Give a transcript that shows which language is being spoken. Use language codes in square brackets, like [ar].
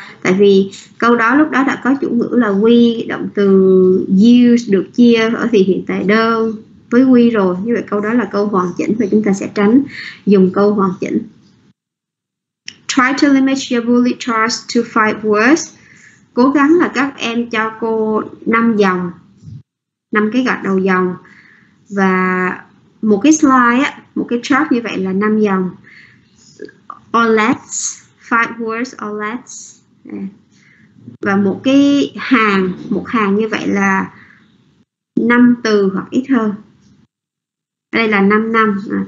[vi] Tại vì câu đó lúc đó đã có chủ ngữ là we, động từ use được chia ở thì hiện tại đơn với we rồi. Như vậy câu đó là câu hoàn chỉnh và chúng ta sẽ tránh dùng câu hoàn chỉnh. [en] Try to limit your bullet charts to 5 words. [vi] Cố gắng là các em cho cô 5 dòng, 5 cái gạch đầu dòng. Và một cái slide, một cái chart như vậy là 5 dòng. [en] Or less, 5 words or less. [vi] Và một cái hàng, một hàng như vậy là 5 từ hoặc ít hơn. Đây là 5 năm.